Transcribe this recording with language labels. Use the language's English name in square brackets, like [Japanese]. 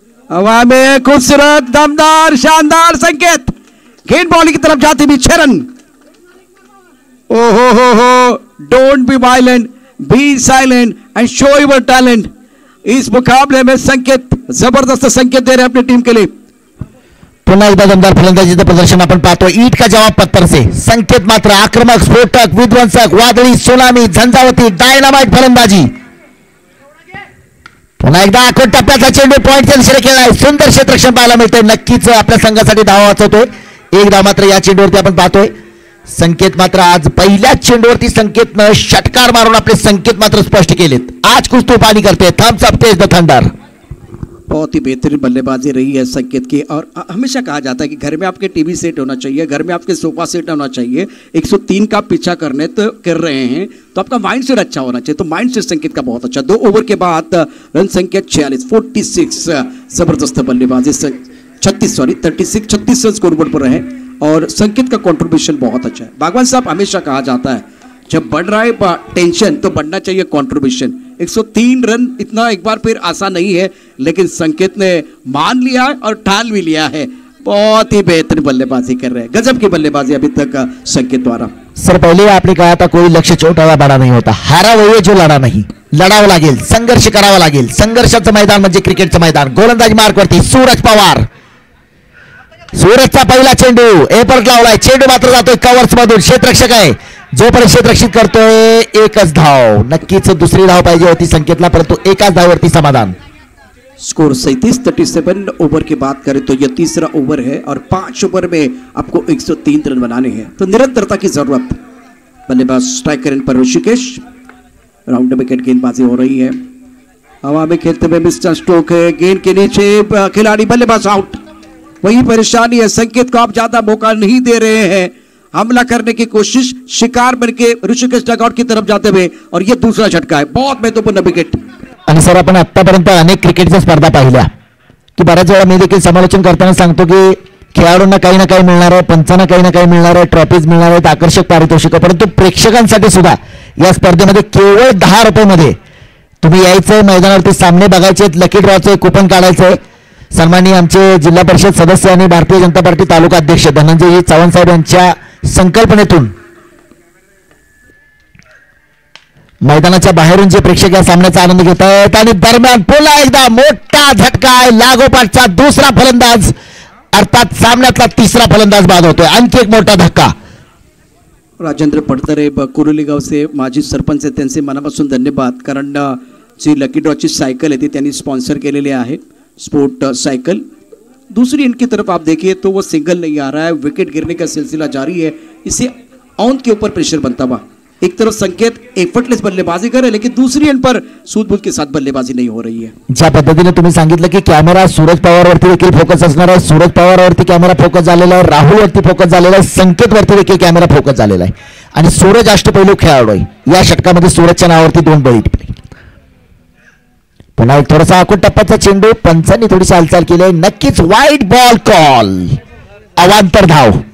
[Hindi] हवा में खूबसूरत दमदार शानदार संकेत, गेंद बॉल की तरफ जाती हुई 6 रन. [English] ओहो हो हो, don't be violent, be silent and show your talent. [Hindi] इस मुकाबले में संकेत जबरदस्त संकेत दे रहे हैं अपनी टीम के लिए. [Marathi] पुनः एकदा दमदार फलंदाजी का प्रदर्शन अपन पातो. [Hindi] ईट का जवाब पत्थर से, [Marathi] संकेत मात्र आक्रमक स्फोटक विध्वंसक वादळी सुनामी झंझावती डायनामाइट फलंदाजी. पुन्हा एकदा आखून टप्प्याचा चेंडू पॉइंट दिशेने खेळला, सुंदर क्षेत्ररक्षण पाहायला मिळतोय, नक्कीच आपल्या संघासाठी धाव वाचवतोय. एकदा मात्र या चेंडूवरती आपण पाहतोय संकेत, मात्र आज पहिल्याच चेंडूवरती संकेत न षटकार मारून आपले संकेत मात्र स्पष्ट केलेत. [Hindi] आज कुछ तूफानी करते Thums up [English] Taste the thunder. [Hindi] बहुत ही बेहतरीन बल्लेबाजी रही है संकेत की. और हमेशा कहा जाता है कि घर में आपके टीवी सेट होना चाहिए, घर में आपके सोफा सेट होना चाहिए. 103 का पीछा करने तो कर रहे हैं तो आपका माइंड सेट अच्छा होना चाहिए. तो माइंड सेट संकेत का बहुत अच्छा. दो ओवर के बाद रन संकेत 46 जबरदस्त बल्लेबाजी 36 रन स्कोरबोर्ड पर रहे और संकेत का कंट्रीब्यूशन बहुत अच्छा है. भगवान साहब हमेशा कहा जाता है जब बढ़ रहा है टेंशन तो बढ़ना चाहिए कंट्रीब्यूशन. 103 रन इतना एक बार फिर आसान नहीं है, लेकिन संकेत ने मान लिया और ठान भी लिया है. बहुत ही बेहतरीन बल्लेबाजी कर रहे हैं, गजब की बल्लेबाजी अभी तक संकेत द्वारा. सर पहले आपने कहा था कोई लक्ष्य छोटा या बड़ा नहीं होता, हारा वही है जो लड़ा नहीं. [Marathi] लड़ावं लागेल, संघर्ष करावा लागेल. संघर्षाचं मैदान म्हणजे क्रिकेटचं मैदान. गोलंदाज मार्क वरती सूरज पवार, सूरजचा पहिला चेंडू एपर्ट लावलाय, चेंडू मात्र जातोय कवर्स मधून. क्षेत्ररक्षक आहे, जोपर्यंत क्षेत्ररक्षित करतोय एकच धाव, नक्कीच दुसरी धाव पाहिजे होती संकेतला, परंतु एकाच धावरती समाधान. [Hindi] स्कोर 37-37 ओवर की बात करें तो यह तीसरा ओवर है और 5 ओवर में आपको 103 रन बनाने हैं, तो निरंतरता की जरूरत. बल्लेबाज स्ट्राइकर इन पर ऋषिकेश, राउंड विकेट गेंदबाजी हो रही है. हवा में खेलते हुए मिस्टर स्ट्रोक है, गेंद के नीचे खिलाड़ी बल्लेबाज आउट. वही परेशानी है संकेत को, आप ज्यादा मौका नहीं दे रहे हैं हमला करने की कोशिश. शिकार बनके ऋषिकेश डगआउट की तरफ जाते हुए और यह दूसरा झटका है. बहुत महत्वपूर्ण विकेट. [Marathi] आणि सर आपण आतापर्यंत अनेक क्रिकेटच्या स्पर्धा पाहिल्या की बऱ्याच वेळा मी देखील समालोचन करताना सांगतो की खेळाडूंना काही ना काही मिळणार आहे, पंचांना काही ना काही मिळणार आहे, ट्रॉफीज मिळणार आहेत, आकर्षक पारितोषिक, परंतु प्रेक्षकांसाठी सुद्धा या स्पर्धेमध्ये केवळ 10 रुपयांमध्ये तुम्ही यायचंय मैदानावरती, सामने बघायचे आहेत, लकी ड्रॉचे कुपन काढायचंय. सन्माननीय आमचे जिल्हा परिषद सदस्य आणि भारतीय जनता पार्टी तालुका अध्यक्ष धनंजयजी चव्हाण साहेब यांच्या संकल्पनेतून मैदानाच्या बाहेरून जे प्रेक्षक या सामन्याचा आनंद घेत आहेत. आणि दरम्यान पुन्हा एकदा मोठा झटका आहे, लागोपाठचा दुसरा फलंदाज अर्थात सामन्यातला तिसरा फलंदाज बाद होतोय. आणखी एक मोठा धक्का. राजेंद्र पडतरे कुरुली गावचे माजी सरपंच, त्यांचे मनापासून धन्यवाद, कारण जी लकी ड्रॉची सायकल आहे ती त्यांनी स्पॉन्सर केलेली आहे, स्पोर्ट सायकल. [Hindi] दूसरी इनकी तरफ आप देखिए तो वो सिंगल नहीं आ रहा है, विकेट गिरने का सिलसिला जारी है. इससे औंत के ऊपर प्रेशर बनता हुआ. एक तरफ संकेत एफर्टलेस बल्लेबाजी कर रहे, लेकिन दूसरी एंड पर सूझबूझ के साथ बल्लेबाजी नहीं हो रही है. [Marathi] ज्या पद्धतीने तुम्ही सांगितलं की कॅमेरा सूरज पवार वरती देखील फोकस असणार आहे, सूरज पवार वरती कॅमेरा फोकस झालेला आहे, राहुल वरती फोकस झालेला आहे, संकेत वरती देखील कॅमेरा फोकस झालेला आहे. आणि सूरज अष्टपैलू खेळाडू आहे, या षटकामध्ये सूरजच्या नावावरती 2 बळी टिपले. पुन्हा एक थोडासा आखूड टप्प्याचा चेंडू, पंचांनी थोडीशी हालचाल केली, नक्कीच व्हाइट बॉल कॉल, अवांतर धाव.